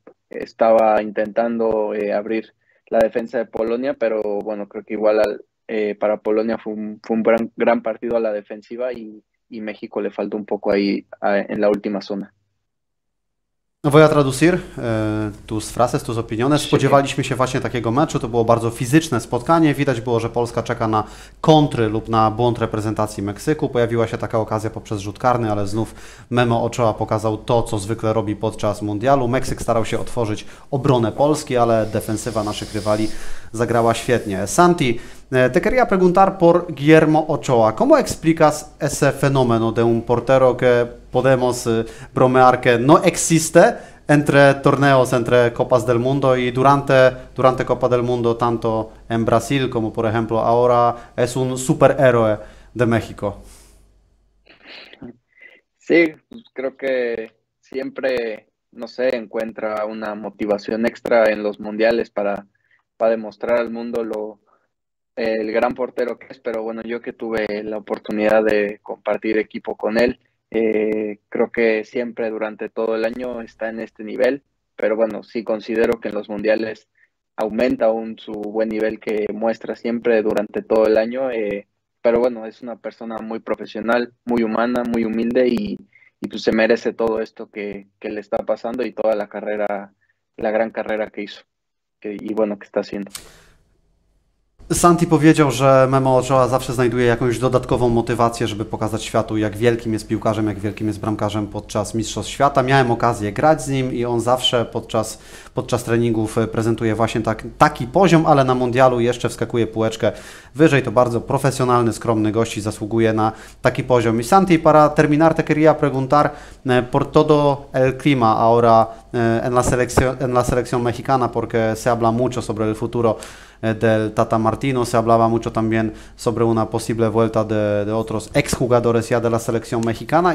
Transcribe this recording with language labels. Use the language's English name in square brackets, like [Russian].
[Spanish] estaba intentando abrir la defensa de Polonia, pero bueno, creo que igual para Polonia fue un gran partido a la defensiva y México le faltó un poco ahí en la última zona. Voy a traducir tus frases, tus opiniones. [Polish] Spodziewaliśmy się właśnie takiego meczu, to było bardzo fizyczne spotkanie. Widać było, że Polska czeka na kontry lub na błąd reprezentacji Meksyku. Pojawiła się taka okazja poprzez rzut karny, ale znów Memo Ochoa pokazał to, co zwykle robi podczas mundialu. Meksyk starał się otworzyć obronę Polski, ale defensywa naszych rywali zagrała świetnie. [Spanish] Santi, te quería preguntar por Guillermo Ochoa. ¿Cómo explicas ese fenómeno de un portero que podemos bromear que no existe entre torneos, entre Copas del Mundo y durante Copa del Mundo, tanto en Brasil como por ejemplo ahora, es un superhéroe de México? Sí, pues creo que siempre, no sé, encuentra una motivación extra en los mundiales para demostrar al mundo el gran portero que es, pero bueno, yo que tuve la oportunidad de compartir equipo con él, creo que siempre durante todo el año está en este nivel, pero bueno, sí considero que en los mundiales aumenta aún su buen nivel que muestra siempre durante todo el año, pero bueno, es una persona muy profesional, muy humana, muy humilde y pues se merece todo esto que le está pasando y toda la carrera, la gran carrera que hizo y bueno, que está haciendo. [Polish] Santi powiedział, że Memo Ochoa zawsze znajduje jakąś dodatkową motywację, żeby pokazać światu, jak wielkim jest piłkarzem, jak wielkim jest bramkarzem podczas Mistrzostw Świata. Miałem okazję grać z nim i on zawsze podczas treningów prezentuje właśnie taki poziom, ale na mundialu jeszcze wskakuje półeczkę wyżej. To bardzo profesjonalny, skromny gość i zasługuje na taki poziom. [Spanish] I Santi, para terminar, te quería preguntar por todo el clima ahora en la selección mexicana, porque se habla mucho sobre el futuro del Tata Martino, se hablaba mucho también sobre una posible vuelta de otros exjugadores ya de la selección mexicana.